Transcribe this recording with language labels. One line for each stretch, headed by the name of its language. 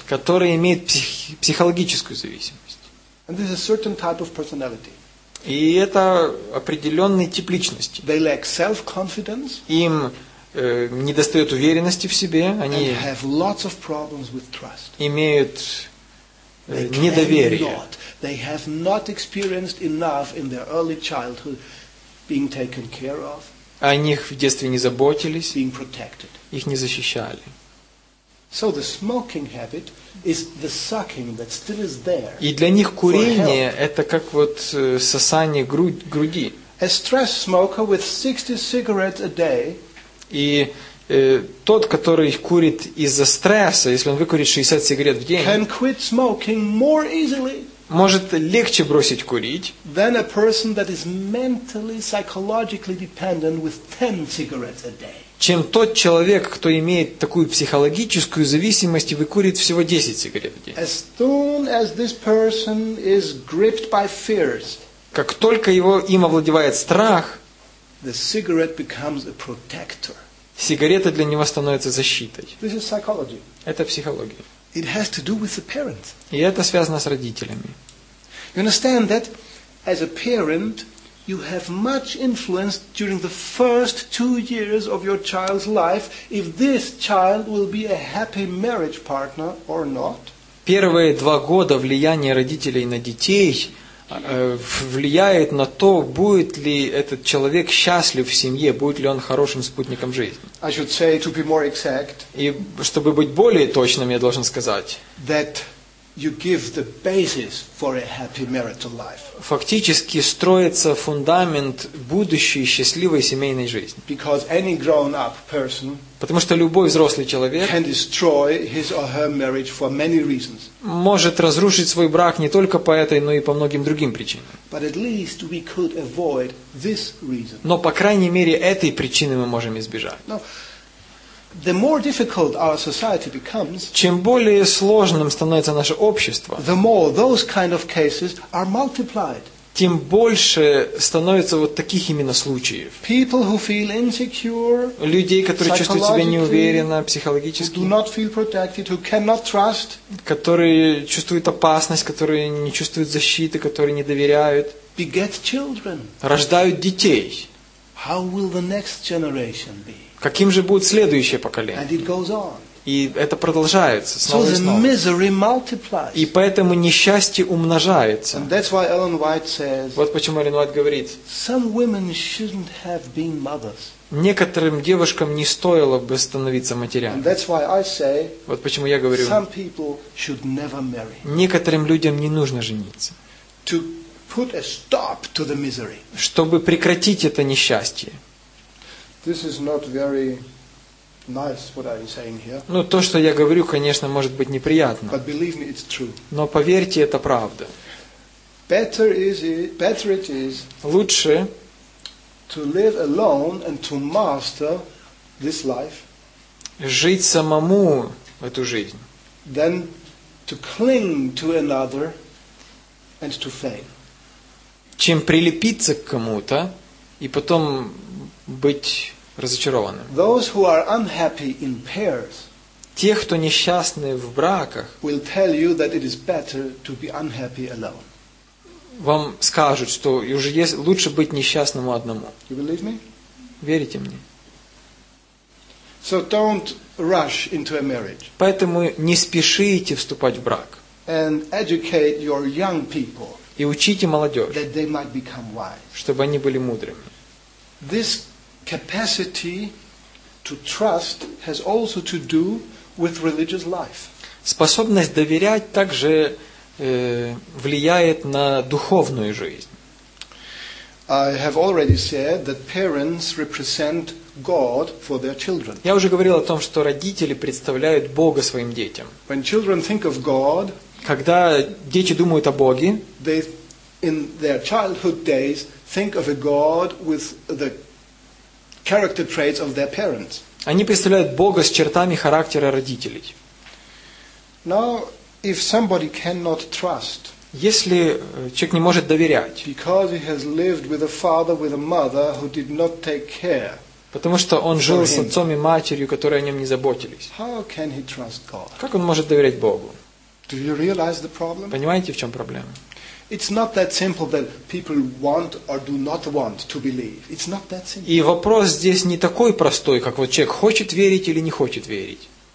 Russian: Которые имеют психологическую зависимость.
English: And this is a certain type of personality.
Russian: И это определенный тип личности.
English: They lack self-confidence.
Russian: Им недостает уверенности в себе. Они
English: and have lots of problems with trust.
Russian: Имеют недоверие.
English: They have not experienced enough in their early childhood being taken care of.
Russian: О них в детстве не заботились,
English: being protected.
Russian: Их не защищали.
English: So the smoking habit is the sucking that still is there.
Russian: И для них курение это как вот сосание груди.
English: A stress smoker with 60 cigarettes a day.
Russian: И тот, который курит из-за стресса, если он выкурит 60 сигарет в день,
English: can quit smoking more easily.
Russian: Может легче бросить курить,
English: than a person that is mentally, psychologically dependent with 10 cigarettes a day.
Russian: Чем тот человек, кто имеет такую психологическую зависимость и выкурит всего 10 сигарет в день.
English: As soon as this person is gripped by fears,
Russian: как только его им овладевает страх,
English: the cigarette becomes a protector.
Russian: Сигарета для него становится защитой.
English: This is psychology.
Russian: Это психология.
English: It has to do with the parents.
Russian: И это связано с родителями.
English: You understand that as a parent you have much influence during the first 2 years of your child's life if this child will be a happy marriage partner or not.
Russian: Первые 2 года влияние родителей на детей влияет на то, будет ли этот человек счастлив в семье, будет ли он хорошим спутником жизни.
English: I should say, to be more exact,
Russian: и чтобы быть более точным, я должен сказать,
English: that you give the basis for a happy marital life.
Russian: Фактически строится фундамент будущей счастливой семейной жизни.
English: Because any grown-up person,
Russian: потому что любой взрослый человек,
English: can destroy his or her marriage for many reasons.
Russian: Может разрушить свой брак не только по этой, но и по многим другим причинам.
English: But at least we could avoid this reason.
Russian: Но по крайней мере этой причины мы можем избежать.
English: Now, the more difficult our society becomes,
Russian: чем более сложным становится наше общество,
English: the more those kind of cases are multiplied.
Russian: Тем больше становится вот таких именно случаев.
English: People who feel insecure,
Russian: людей, которые чувствуют себя неуверенно психологически,
English: who do not feel protected, who cannot trust,
Russian: которые чувствуют опасность, которые не чувствуют защиты, которые не доверяют,
English: beget children,
Russian: рождают детей.
English: How will the next generation be?
Russian: Каким же будет следующее поколение?
English: And it goes on.
Russian: И это продолжается снова
English: so
Russian: и снова.
English: Misery multiplies.
Russian: И поэтому несчастье умножается.
English: And that's why Ellen White says,
Russian: вот почему Эллен Уайт говорит,
English: some women shouldn't have been mothers.
Russian: Некоторым девушкам не стоило бы становиться матерями.
English: And that's why I say,
Russian: вот почему я говорю,
English: some people should never marry.
Russian: Некоторым людям не нужно жениться.
English: To put a stop to the misery.
Russian: Чтобы прекратить это несчастье.
English: This is not very nice what I'm saying here.
Russian: Ну то, что я говорю, конечно, может быть неприятно.
English: But believe me, it's true.
Russian: Но поверьте, это правда.
English: Better it is.
Russian: Лучше
English: to live alone and to master this life.
Russian: Жить самому эту жизнь.
English: Than to cling to another and to fail.
Russian: Чем прилепиться к кому-то и потом быть разочарованным.
English: Those who are unhappy in pairs,
Russian: те, кто несчастны в браках,
English: will tell you that it is better to be unhappy alone.
Russian: Вам скажут, что уже есть лучше быть несчастному одному.
English: You believe me?
Russian: Верите мне?
English: So don't rush into a marriage.
Russian: Поэтому не спешите вступать в брак.
English: And educate your young people.
Russian: И учите молодежь,
English: that they might become wise.
Russian: Чтобы они были мудрыми.
English: This capacity to trust has also to do with religious life.
Russian: Способность доверять также влияет на духовную жизнь.
English: I have already said that parents represent God for their children.
Russian: Я уже говорил о том, что родители представляют Бога своим детям.
English: When children think of God,
Russian: когда дети думают о Боге,
English: they in their childhood days think of a God with the character traits of their parents.
Russian: Они представляют Бога с чертами характера родителей.
English: Now, if somebody cannot trust,
Russian: если человек не может доверять,
English: because he has lived with a father, with a mother who did not take care,
Russian: потому что он жил с отцом и матерью, которые о нем не заботились,
English: how can he trust God?
Russian: Как он может доверять Богу?
English: Do you realize the problem?
Russian: Понимаете, в чем проблема?
English: It's not that simple that people want or do not want to believe. It's not that simple.
Russian: И вопрос здесь не такой простой, как вот человек хочет верить или не хочет верить.